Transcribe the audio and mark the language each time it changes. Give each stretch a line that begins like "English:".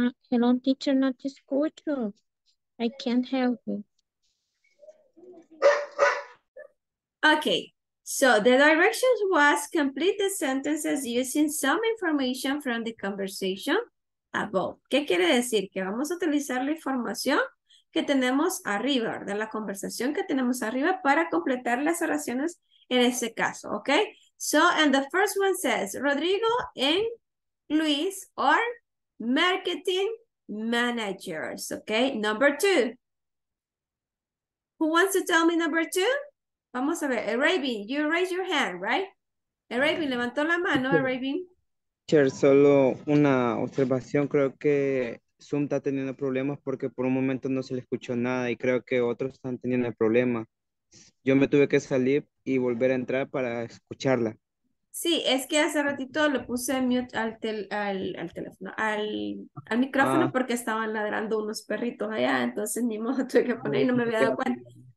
English: Hello, teacher,
Spanish: no te escucho.
English: I can't help you. Okay, so the directions was complete the sentences using some information from the conversation above.
Spanish: ¿Qué quiere decir? Que vamos a utilizar la información que tenemos arriba, ¿verdad? La conversación que tenemos arriba para completar las oraciones en ese caso, ¿ok?
English: So, and the first one says, Rodrigo and Luis are marketing managers, ¿ok? Number two. Who wants to tell me number two?
Spanish: Vamos a ver,
English: Arabian, you raise your hand, right?
Spanish: Arabian, levantó la mano, Arabian. Chair, solo una observación, creo que Zoom está teniendo problemas porque por un momento no se le escuchó nada y creo que otros están teniendo el problema. Yo me tuve que salir y volver a entrar para escucharla. Sí, es que hace ratito le puse mute al teléfono, al micrófono porque estaban ladrando unos perritos allá, entonces ni modo tuve que poner y no me había dado cuenta.